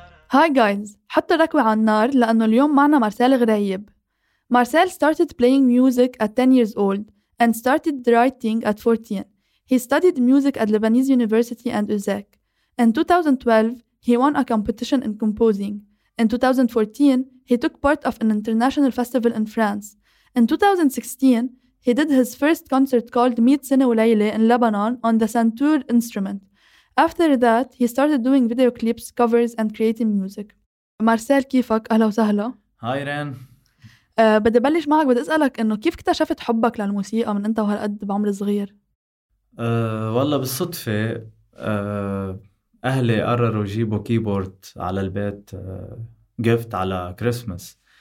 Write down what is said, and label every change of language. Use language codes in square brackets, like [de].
[ar] هاي جايز، حط الركوة على النار لأنه اليوم معنا مارسيل غريب. [en] Marcel started playing music at 10 years old and started writing at 14. He studied music at Lebanese University and UZEC. In 2012, he won a competition in composing. In 2014, he took part of an international festival in France. In 2016, he did his first concert called Meet Sine Ulayle in Lebanon on the Santur instrument. After that, he started doing video clips, covers, and creating music. [ar] مارسيل كيفك؟ أهلا وسهلا. هاي رين. بدي بلش معك، بدي أسألك إنه كيف اكتشفت حبك للموسيقى من أنت وهالقد بعمر صغير؟ والله بالصدفة أهلي قرروا يجيبوا كيبورد على البيت جيفت على كريسمس.